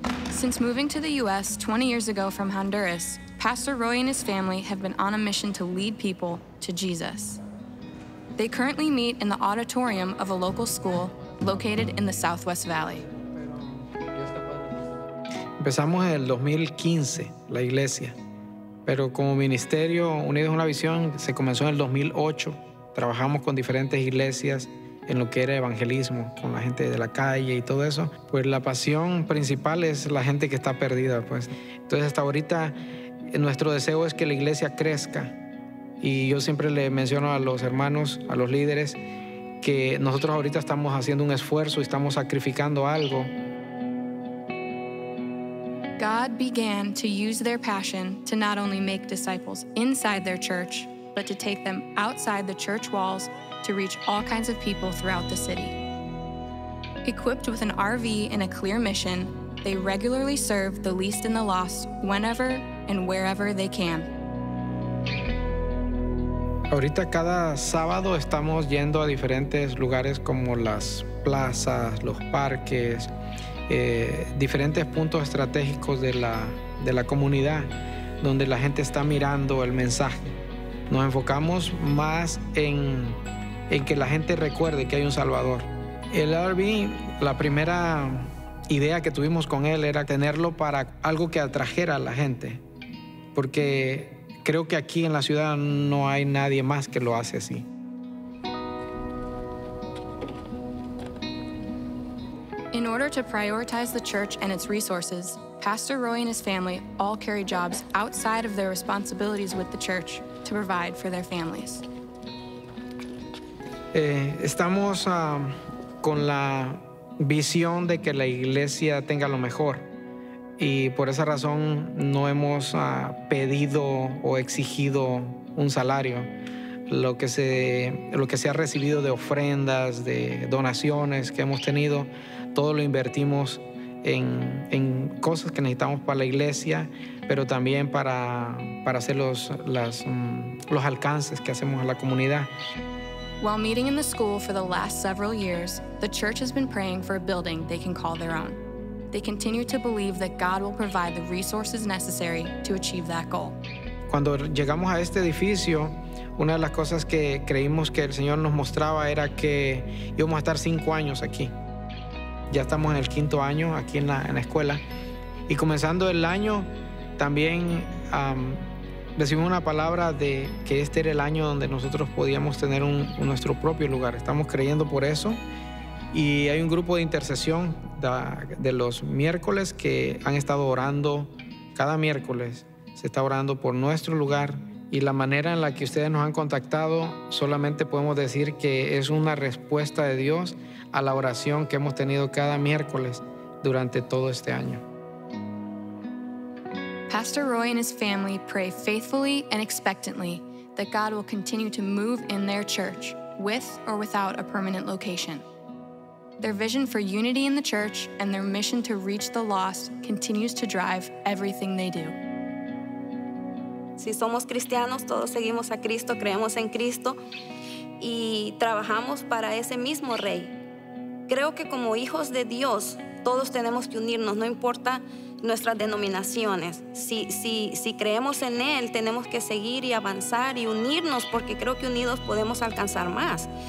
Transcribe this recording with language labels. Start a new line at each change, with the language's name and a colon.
English: Since moving to the U.S. 20 years ago from Honduras, Pastor Roy and his family have been on a mission to lead people to Jesus. They currently meet in the auditorium of a local school located in the Southwest Valley.
Spanish: Empezamos en el 2015, la iglesia, pero como ministerio Unidos en la Visión se comenzó en el 2008. Trabajamos con diferentes iglesias en lo que era evangelismo, con la gente de la calle y todo eso. Pues la pasión principal es la gente que está perdida, pues. Entonces hasta ahorita nuestro deseo es que la iglesia crezca. Y yo siempre le menciono a los hermanos, a los líderes, que nosotros ahorita estamos haciendo un esfuerzo, estamos sacrificando algo.
English: God began to use their passion to not only make disciples inside their church, but to take them outside the church walls to reach all kinds of people throughout the city. Equipped with an RV and a clear mission, they regularly serve the least and the lost whenever and wherever they can.
Spanish: Ahorita cada sábado estamos yendo a diferentes lugares como las plazas, los parques, diferentes puntos estratégicos de la comunidad donde la gente está mirando el mensaje. Nos enfocamos más en que la gente recuerde que hay un Salvador. El RV, la primera idea que tuvimos con él era tenerlo para algo que atrajera a la gente, porque creo que aquí en la ciudad no hay nadie más que lo hace así.
English: In order to prioritize the church and its resources, Pastor Roy and his family all carry jobs outside of their responsibilities with the church to provide for their families.
Spanish: Estamos con la visión de que la iglesia tenga lo mejor. Y por esa razón no hemos pedido o exigido un salario. Lo que se ha recibido de ofrendas, de donaciones que hemos tenido, todo lo invertimos en cosas que necesitamos para la iglesia, pero también para hacer los alcances que hacemos a la comunidad.
English: While meeting in the school for the last several years, the church has been praying for a building they can call their own. They continue to believe that God will provide the resources necessary to achieve that goal.
Spanish: Cuando llegamos a este edificio, una de las cosas que creímos que el Señor nos mostraba era que íbamos a estar 5 años aquí. Ya estamos en el quinto año aquí en la escuela. Y comenzando el año, también recibimos una palabra de que este era el año donde nosotros podíamos tener nuestro propio lugar. Estamos creyendo por eso. Y hay un grupo de intercesión de los miércoles que han estado orando cada miércoles. Se está orando por nuestro lugar. Y la manera en la que ustedes nos han contactado, solamente podemos decir que es una respuesta de Dios a la oración que hemos tenido cada miércoles durante todo este año.
English: Pastor Roy and his family pray faithfully and expectantly that God will continue to move in their church with or without a permanent location. Their vision for unity in the church and their mission to reach the lost continues to drive everything they do.
Spanish: Si somos cristianos, todos seguimos a Cristo, creemos en Cristo y trabajamos para ese mismo rey. Creo que como hijos de Dios, todos tenemos que unirnos, no importa nuestras denominaciones. Si creemos en Él, tenemos que seguir y avanzar y unirnos porque creo que unidos podemos alcanzar más.